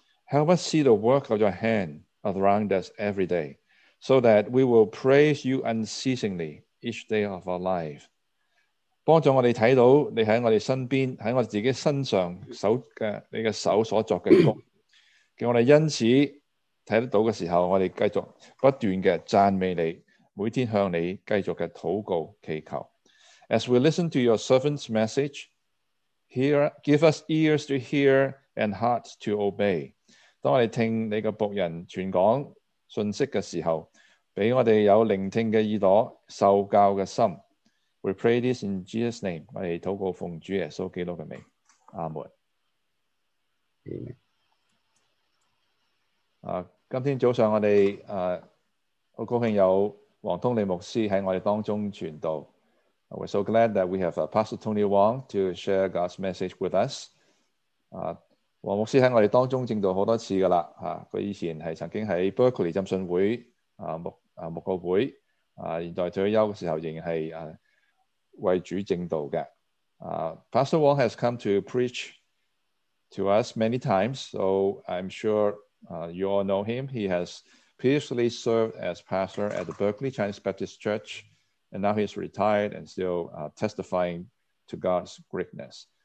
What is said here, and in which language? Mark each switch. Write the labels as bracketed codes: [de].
[en] Help us see the work of your hand around us every day, so that we will praise you unceasingly each day of our life. [zh] 帮助我们看到你在我们身边，在我们自己身上你的手所作的功，叫我们因此看得到的时候，我们继续不断的赞美你，每天向你继续的祷告祈求。 [en] As we listen to your servant's message, give us ears to hear and hearts to obey. [zh] 当我们听你的仆人传讲信息的时候，给我们有聆听的耳朵，受教的心。 [en] We pray this in Jesus' name. [zh] 我们祷告奉主耶稣基督的名，阿门。今天早上我们很高兴有王通利牧师在我们当中传道。 [en] We're so glad that we have Pastor Tony Wong to share God's message with us. [zh] 王牧师在我们当中证道很多次的了，他以前是曾经在 Berkeley 浸信会牧个会，现在退休的时候仍然是为主证道的。 [en] Pastor Wong has come to preach to us many times, so I'm sure you all know him. He has previously served as pastor at the Berkeley Chinese Baptist Church, and now he's retired and still testifying to God's greatness.